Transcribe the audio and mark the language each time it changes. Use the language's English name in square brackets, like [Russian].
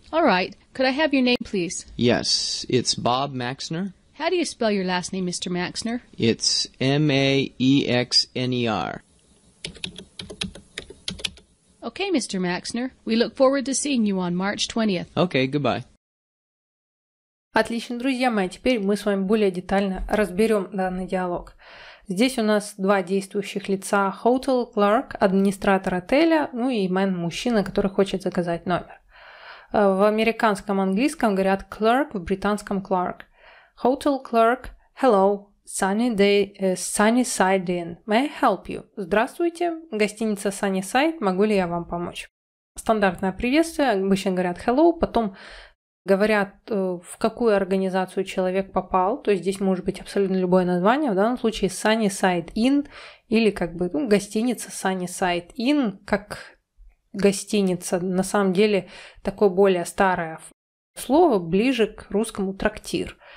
[English] All right. Could I have your name, please? Yes, it's Bob Maxner. How do you spell your last name, Mr. Maxner? It's M-A-E-X-N-E-R. Okay, Mr. Maxner. We look forward to seeing you on March 20th. Okay, goodbye. [Russian] Отлично, друзья мои, теперь мы с вами более детально разберем данный диалог. Здесь у нас два действующих лица: hotel clerk, администратор отеля, ну и man-мужчина, который хочет заказать номер. В американском английском говорят clerk, в британском clerk. [English] Hotel clerk, hello, Sunnyside Inn, may I help you? [Russian] Здравствуйте, гостиница Sunnyside, могу ли я вам помочь? Стандартное приветствие, обычно говорят hello, потом говорят, в какую организацию человек попал, то есть здесь может быть абсолютно любое название, в данном случае Sunnyside Inn или как бы ну, гостиница Sunnyside Inn, как гостиница, на самом деле такое более старое слово, ближе к русскому трактир.